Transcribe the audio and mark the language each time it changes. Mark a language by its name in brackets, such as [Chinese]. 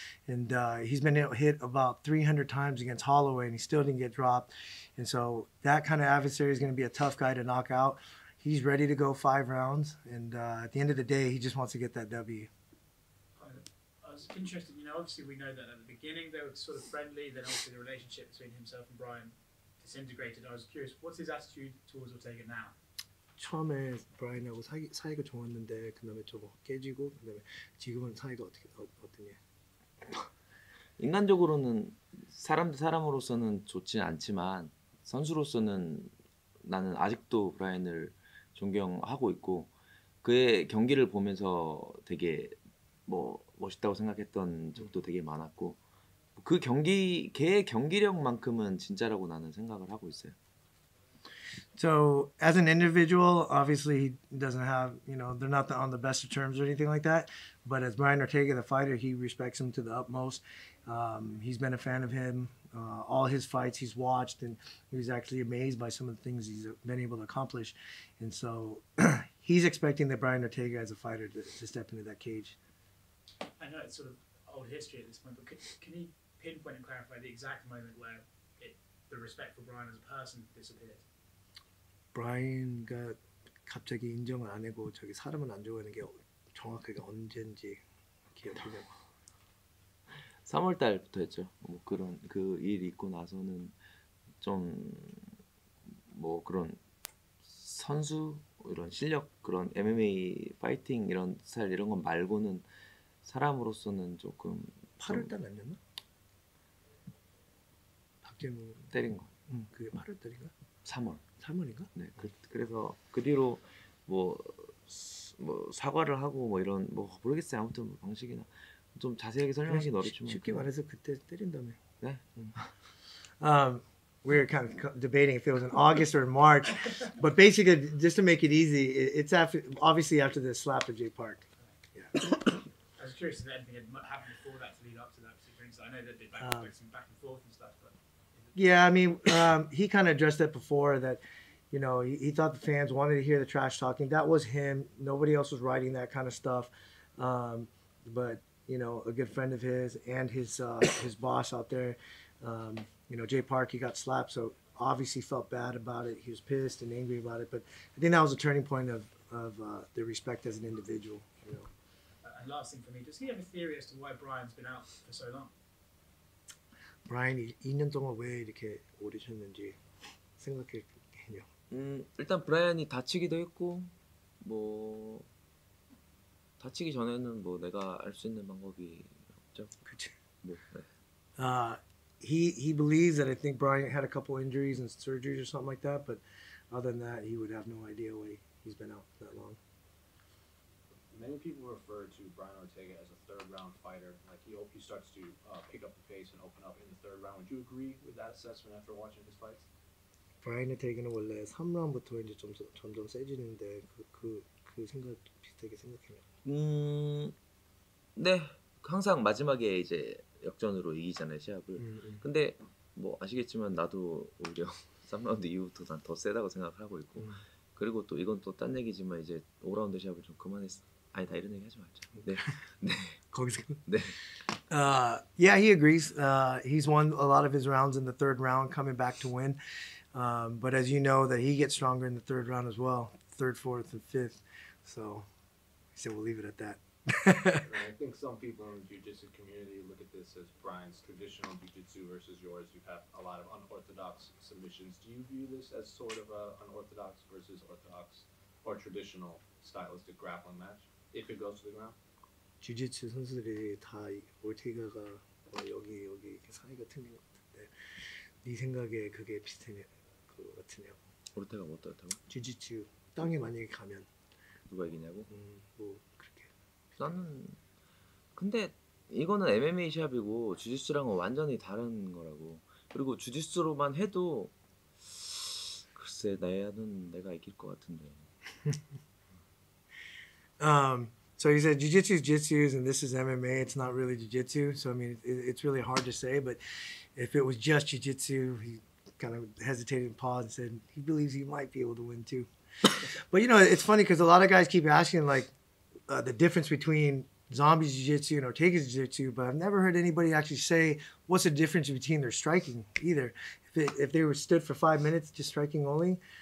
[English] And he's been hit about 300 times against Holloway, and he still didn't get dropped. And so that kind of adversary is going to be a tough guy to knock out. he's ready to go five rounds, and at the end of the day, he just wants to get that W. I was interested, you know, obviously we know that at the beginning they were sort of friendly, then obviously the relationship between himself and Brian disintegrated. I was curious, what's his attitude towards Ortega now? [Korean] 처음에 브라이언하고 사이가 좋았는데 그다음에 조금 깨지고 그다음에 지금은 사이가 어떻게 인간적으로는 사람으로서는 좋지는 않지만 선수로서는 나는 아직도 브라이언을 존경하고 있고 그의 경기를 보면서 되게 뭐 멋있다고 생각했던 적도 되게 많았고 그 경기 걔의 경기력만큼은 진짜라고 나는 생각을 하고 있어요. [English] So as an individual, obviously he doesn't have, you know, they're not the, on the best of terms or anything like that. But as Brian Ortega, the fighter, he respects him to the utmost. He's been a fan of him. All his fights he's watched and he was actually amazed by some of the things he's been able to accomplish. And so he's expecting that Brian Ortega as a fighter to step into that cage. I know it's sort of old history at this point, but can he pinpoint and clarify the exact moment where the respect for Brian as a person disappeared? [Korean] 브라이언가 갑자기 인정을 안 하고 저기 사람은 안 좋아하는 게 정확하게 언제인지 기억하려고 3월 달부터였죠. 뭐 그런 그 일 있고 나서는 좀 뭐 그런 선수 이런 실력 그런 MMA 파이팅 이런 스타일 이런 건 말고는 사람으로서는 조금 팔을 때렸나? 박재무 때린 거. 그게 팔을 때린가? 3월. 3월인가? 네. 그래서 그 뒤로 뭐 사과를 하고 뭐 이런 뭐 모르겠어요. 아무튼 방식이나 좀 자세하게 설명하기 어렵지만 쉽게 말해서 그때 때린 다음에. 네. [English] We were kind of debating if it was in August or in March, but basically just to make it easy, it's after obviously after the slap of Jay Park. Yeah. I was curious if anything had happened before that to lead up to that particular incident. I know that they've been bouncing back and forth and stuff, but. Yeah, I mean, he kind of addressed that before that, you know, he thought the fans wanted to hear the trash talking. That was him. Nobody else was writing that kind of stuff. But, you know, a good friend of his and his boss out there, you know, Jay Park, he got slapped. So obviously felt bad about it. He was pissed and angry about it. But I think that was a turning point of the respect as an individual. You know. And last thing for me, does he have a theory as to why Brian's been out for so long? [Korean] 브라이언이 2년 동안 왜 이렇게 오래 쉬었는지 생각해요. 일단 브라이언이 다치기도 했고 뭐 다치기 전에는 뭐 내가 알 수 있는 방법이 없죠. 그치. 뭐. [English] he believes that I think Brian had a couple injuries and surgeries or something like that, but other than that, he would have no idea why he's been out that long. Many people refer to Brian Ortega as a third-round fighter. Like he starts to pick up the pace and open up in the third round. Would you agree with that assessment after watching his fights? [Korean] Brian Ortega는 원래 3라운드부터 이제 점점 세지는데 그 생각 비슷하게 생각해요. 네, 항상 마지막에 이제 역전으로 이기잖아요 시합을. 근데 뭐 아시겠지만 나도 오히려 3라운드 이후부터 난 더 세다고 생각을 하고 있고 그리고 또 이건 또 딴 얘기지만 이제 5라운드 시합을 좀 그만했어. 아니 다 이런 얘기 하지 말자. 네. 네. 거기서. 네. [English] Yeah, he agrees. He's won a lot of his rounds in the third round, coming back to win. But as you know, that he gets stronger in the third round as well, third, fourth, and fifth. So, he said we'll leave it at that. I think some people in the jiu-jitsu community look at this as Brian's traditional jiu-jitsu versus yours. You have a lot of unorthodox submissions. Do you view this as sort of a unorthodox versus orthodox or traditional stylistic grappling match? If it goes to the ground, [Korean] 주짓수 선수들이 다 올테가가 여기 이렇게 사이가 틀린 것 같은데 네 생각에 그게 비슷해 그 같으냐? 올테가 뭐 어떻다고? 주짓수 땅에 만약에 가면 누가 이기냐고? 뭐 그렇게 나는 근데 이거는 MMA 샵이고 주짓수랑은 완전히 다른 거라고 그리고 주짓수로만 해도 글쎄 나는 내가 이길 것 같은데. [English] So he said jiu-jitsu is jiu-jitsu and this is MMA, it's not really jiu-jitsu, so I mean it's really hard to say, but if it was just jiu-jitsu, he kind of hesitated and paused and said he believes he might be able to win too. But you know, it's funny because a lot of guys keep asking like the difference between Zombie's jiu-jitsu and Ortega's jiu-jitsu, but I've never heard anybody actually say what's the difference between their striking either. If they were stood for 5 minutes just striking only,